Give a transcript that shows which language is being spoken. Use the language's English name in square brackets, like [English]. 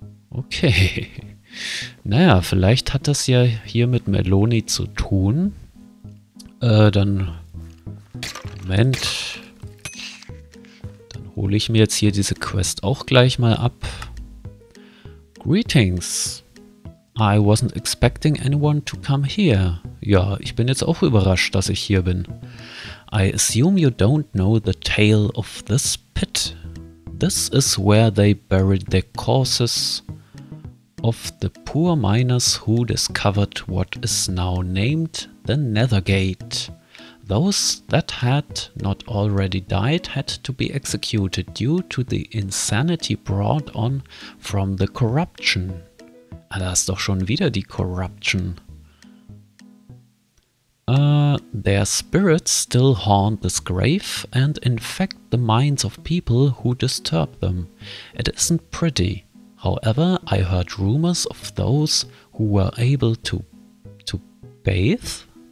[German] Okay. Naja, vielleicht hat das ja hier mit Meloni zu tun. Dann... Moment. Dann hole ich mir jetzt hier diese Quest auch gleich mal ab. [English] Greetings. I wasn't expecting anyone to come here. [German] Ja, ich bin jetzt auch überrascht, dass ich hier bin. [English] I assume you don't know the tale of this pit. This is where they buried the corpses of the poor miners who discovered what is now named the Nethergate. Those that had not already died had to be executed due to the insanity brought on from the corruption. [German] Ah, da ist doch schon wieder die Corruption. [English] Their spirits still haunt this grave and infect the minds of people who disturb them. It isn't pretty. However, I heard rumors of those who were able to bathe.